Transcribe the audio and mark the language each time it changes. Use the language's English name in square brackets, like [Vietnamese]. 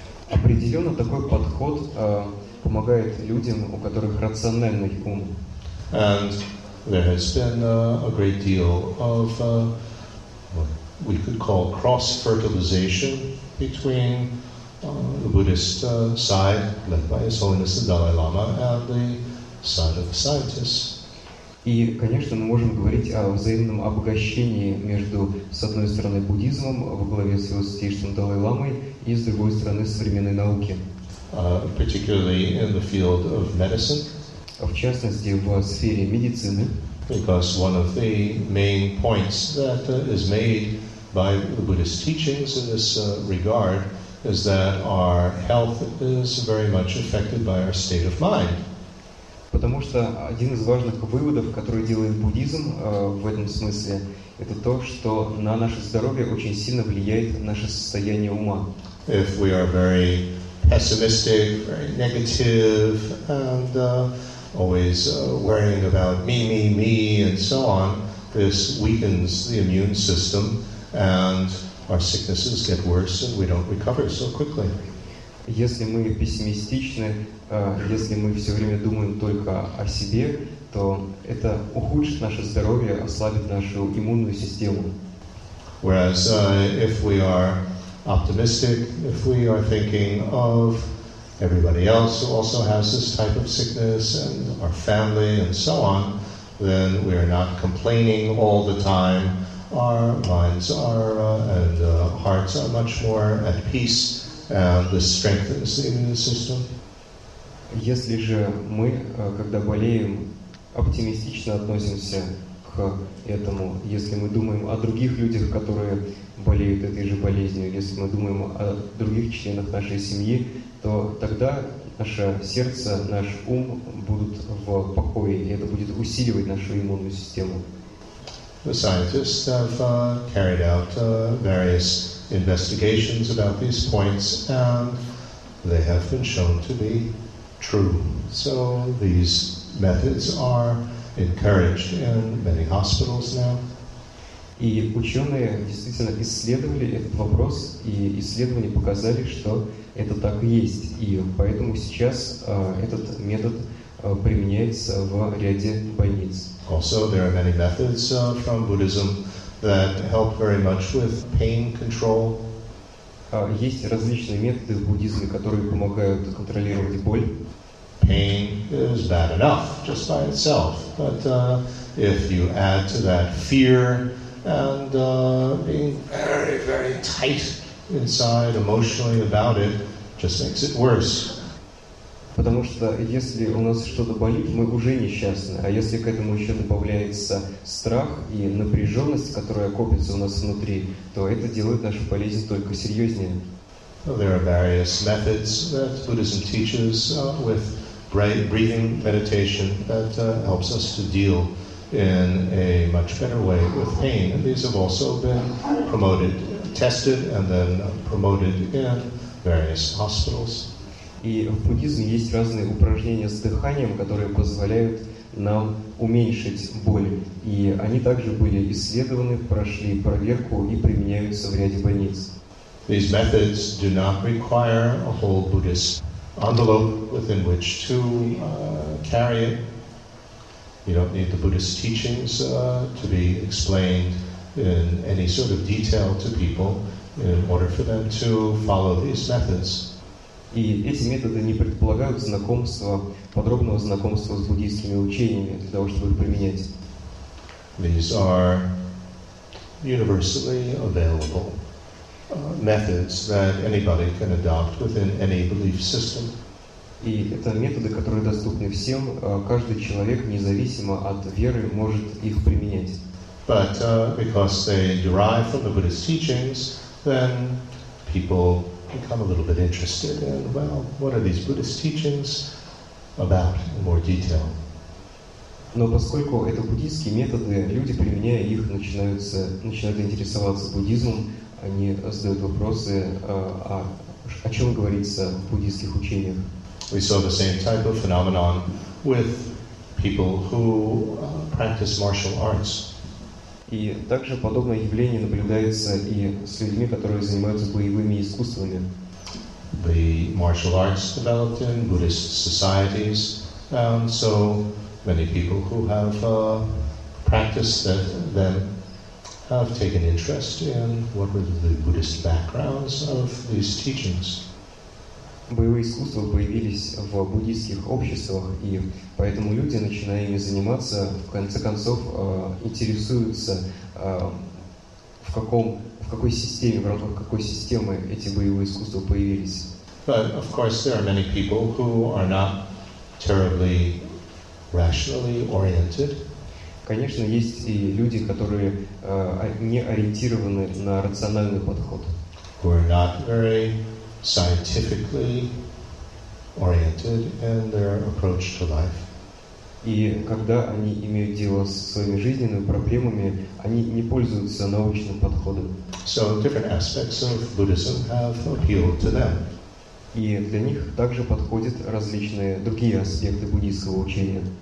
[Russian] Определенно такой подход помогает людям, у которых рациональный ум. [English] And there has been a great deal of what we could call cross-fertilization between the Buddhist side, led by His Holiness the Dalai Lama, and the side of the scientists. [Russian] И, конечно, мы можем говорить о взаимном обогащении между, с одной стороны, буддизмом во главе с Его Святейшеством Далай Ламой и, с другой стороны, современной науки. [English] Particularly in the field of medicine. [Russian] В частности, в сфере медицины. [English] Because one of the main points that is made by the Buddhist teachings in this regard is that our health is very much affected by our state of mind. [Russian] Потому что один из важных выводов, который делает буддизм в этом смысле, это то, что на наше здоровье очень сильно влияет наше состояние ума. [English] If we are very pessimistic, very negative, and always worrying about me, me, me, and so on, this weakens the immune system, and our sicknesses get worse, and we don't recover so quickly. [Russian] Если мы пессимистичны, если мы все время думаем только о себе, то это ухудшит наше здоровье, ослабит нашу иммунную систему. [English] Whereas if we are optimistic, if we are thinking of everybody else who also has this type of sickness and our family and so on, then we are not complaining all the time. Our minds are and hearts are much more at peace, and this strengthens the immune system. [Russian] Если же мы, когда болеем, оптимистично относимся к этому, если мы думаем о других людях, которые болеют этой же болезнью, если мы думаем о других членах нашей семьи, то тогда наше сердце, наш ум будут в покое, и это будет усиливать нашу иммунную систему. [English] The scientists have carried out various investigations about these points, and they have been shown to be true. So these methods are encouraged in many hospitals now. [Russian] И ученые действительно исследовали этот вопрос, и исследования показали, что это так и есть. И поэтому сейчас этот метод применяется в ряде больниц. [English] Also, there are many methods from Buddhism that help very much with pain control. [Russian] Есть различные методы в буддизме, которые помогают контролировать боль. [English] Pain is bad enough just by itself, but if you add to that fear and being very, very tight inside emotionally about it, just makes it worse. [Russian] Потому что если у нас что-то болит, мы уже несчастны. А если к этому еще добавляется страх и напряженность, которая копится у нас внутри, то это делает нашу болезнь только серьезнее. [English] There are various methods that Buddhism teaches with breathing meditation that helps us to deal in a much better way with pain. And these have also been promoted, tested, and then promoted in various hospitals. [Russian] И в буддизме есть разные упражнения с дыханием, которые позволяют нам уменьшить боль. И они также были исследованы, прошли проверку и применяются в ряде больниц. [English] These methods do not require a whole Buddhist envelope within which to carry it. You don't need the Buddhist teachings to be explained in any sort of detail to people in order for them to follow these methods. [Russian] И эти методы не предполагают знакомства, подробного знакомства с буддийскими учениями для того, чтобы их применять. [English] These are universally available methods that anybody can adopt within any belief system. [Russian] И это методы, которые доступны всем, каждый человек, независимо от веры, может их применять. [English] But because they derive from the Buddhist teachings, then people become a little bit interested in, well, what are these Buddhist teachings about in more detail? [Russian] Но поскольку это буддийские методы, люди, применяя их, начинают интересоваться буддизмом, они задают вопросы, о чем говорится в буддийских учениях. [English] We saw the same type of phenomenon with people who practice martial arts. [Russian] И также подобное явление наблюдается и с людьми, которые занимаются боевыми искусствами. [English] The martial arts developed in Buddhist societies, and so many people who have practiced them have taken interest in what were the Buddhist backgrounds of these teachings. [Russian] Боевые искусства появились в буддийских обществах, и поэтому люди, начиная ими заниматься, в конце концов интересуются, в рамках какой системы эти боевые искусства появились. [English] But of course there are many people who are not terribly rationally oriented. [Russian] Конечно, есть и люди, которые не ориентированы на рациональный подход. [English] Who are not very scientifically oriented in their approach to life. [Russian] И когда они имеют дело с своими жизненными проблемами, они не пользуются научным подходом. [English] So different aspects of Buddhism have appealed to them. [Russian] И для них также подходят различные другие аспекты буддийского учения.